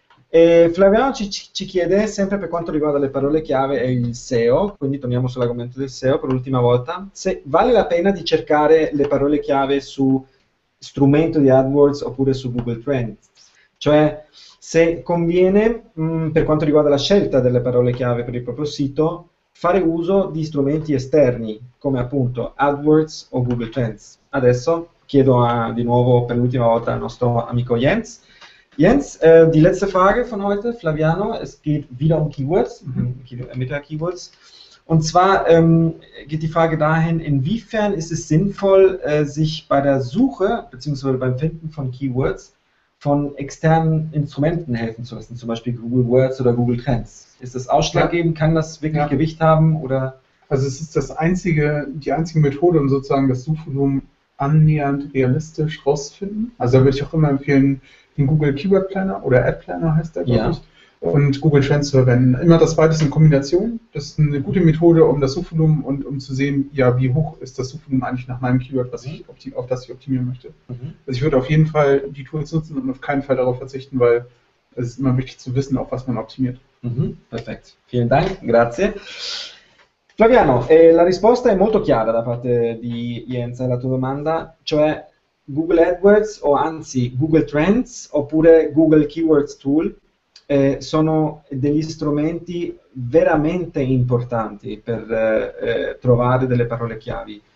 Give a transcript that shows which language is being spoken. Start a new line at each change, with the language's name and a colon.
Italian: E Flaviano ci chiede, sempre per quanto riguarda le parole chiave e il SEO, quindi torniamo sull'argomento del SEO per l'ultima volta, se vale la pena di cercare le parole chiave su strumento di AdWords oppure su Google Trends? Cioè, se conviene, per quanto riguarda la scelta delle parole chiave per il proprio sito, fare uso di strumenti esterni, come appunto AdWords o Google Trends. Adesso chiedo di nuovo per l'ultima volta al nostro amico Jens.
German: Jens, die letzte Frage von heute, Flaviano, es geht wieder um Keywords, Meta-Keywords. Und zwar geht die Frage dahin, inwiefern ist es sinnvoll, sich bei der Suche bzw. beim Finden von Keywords von externen Instrumenten helfen zu lassen, zum Beispiel Google Words oder Google Trends. Ist das ausschlaggebend? Ja. Kann das wirklich Gewicht haben? Oder? Also es ist die einzige Methode, um sozusagen das Suchvolumen annähernd realistisch rauszufinden. Also da würde ich auch immer empfehlen, den Google Keyword Planner oder Ad Planner heißt der, glaube ich, und Google Trends zu verwenden. Immer das beides in Kombination. Das ist eine gute Methode, um das Suchvolumen und um zu sehen, ja, wie hoch ist das Suchvolumen eigentlich nach meinem Keyword, auf das ich optimieren möchte. Mhm. Also ich würde auf jeden Fall die Tools nutzen und auf keinen Fall darauf verzichten, weil es ist immer wichtig zu wissen, auf was man optimiert. Mhm. Perfekt. Vielen Dank.
Italian: Grazie. Flaviano, la risposta è molto chiara da parte di Jens alla tua domanda, cioè Google AdWords o anzi Google Trends oppure Google Keywords Tool sono degli strumenti veramente importanti per trovare delle parole chiavi.